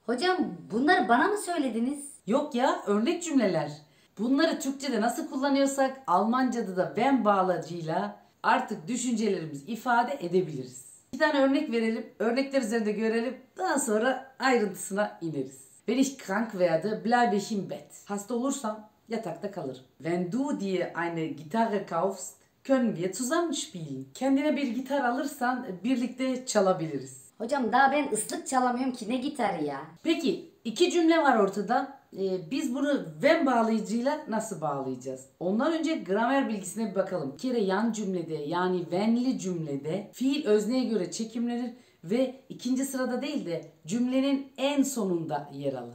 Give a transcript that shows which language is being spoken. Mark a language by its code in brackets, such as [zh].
[tr] Hocam bunları bana mı söylediniz? Yok ya, örnek cümleler. Bunları Türkçe'de nasıl kullanıyorsak Almanca'da da ben bağlacıyla artık düşüncelerimizi ifade edebiliriz. Bir tane örnek verelim, örnekler üzerinde görelim, daha sonra ayrıntısına ineriz. [de] Wenn ich krank werde, bleibe ich im Bett. [tr] Hasta olursam yatakta kalırım. [de] Wenn du dir eine Gitarre kaufst, können wir zusammen spielen. [tr] Kendine bir gitar alırsan birlikte çalabiliriz. Hocam daha ben ıslık çalamıyorum ki, ne gitarı ya? Peki, iki cümle var ortada. Biz bunu wenn bağlayıcıyla nasıl bağlayacağız? Ondan önce gramer bilgisine bir bakalım. Bir kere yan cümlede, yani wenn'li cümlede fiil özneye göre çekimlenir ve ikinci sırada değil de cümlenin en sonunda yer alır.